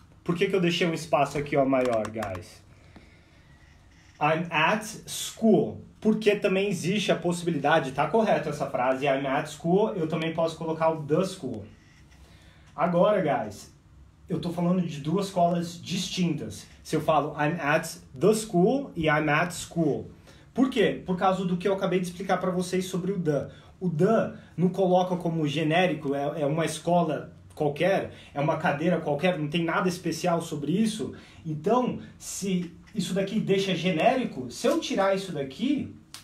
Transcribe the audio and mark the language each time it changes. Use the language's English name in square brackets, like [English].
[Portuguese] Por que eu deixei um espaço aqui, ó, maior, guys? [English] I'm at school. [Portuguese] Porque também existe a possibilidade, tá correto essa frase, [English] I'm at school, [Portuguese] eu também posso colocar o the school. Agora, guys, eu tô falando de duas escolas distintas. Se eu falo [English] I'm at the school [Portuguese] e [English] I'm at school. [Portuguese] Por quê? Por causa do que eu acabei de explicar para vocês sobre o the. O the não coloca como genérico, é uma escola qualquer, é uma cadeira qualquer, não tem nada especial sobre isso. Então, se isso daqui deixa genérico, se eu tirar isso daqui,